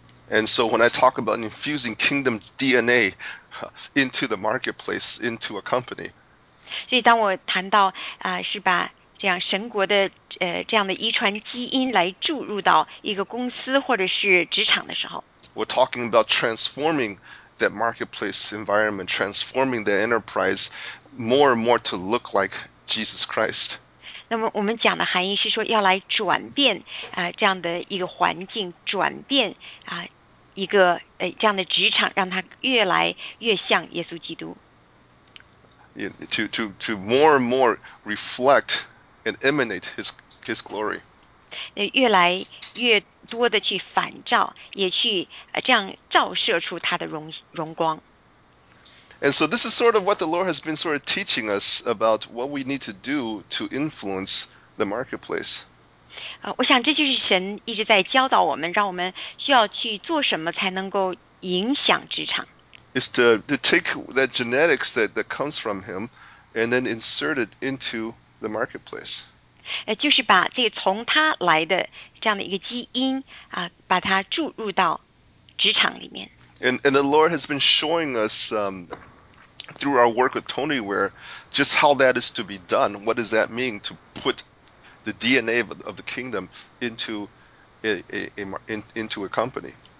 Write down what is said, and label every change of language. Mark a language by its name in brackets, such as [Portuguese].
[English] And so when I talk about infusing kingdom DNA into the marketplace, into a company, [Chinese] 所以当我谈到是把这样神国的这样的遗传基因来注入到一个公司或者是职场的时候， [English] We're talking about transforming that marketplace environment, transforming the enterprise more and more to look like Jesus Christ. [Chinese] 那么我们讲的含义是说要来转变这样的一个环境，转变一个这样的职场，让它越来越像耶稣基督。 [English] To more and more reflect and emanate his glory. [Chinese] 越来越多的去反照，也去这样照射出他的荣光。 [English] And so this is sort of what the Lord has been sort of teaching us about what we need to do to influence the marketplace. [Chinese] 我想这就是神一直在教导我们，让我们需要去做什么才能够影响职场。 [English] Is to take that genetics that comes from him and then insert it into the marketplace. [Chinese] 就是把这个从他来的这样的一个基因把它注入到职场里面。 [English] And the Lord has been showing us through our work with Tony Ware just how that is to be done. What does that mean to put the DNA of the kingdom into a company?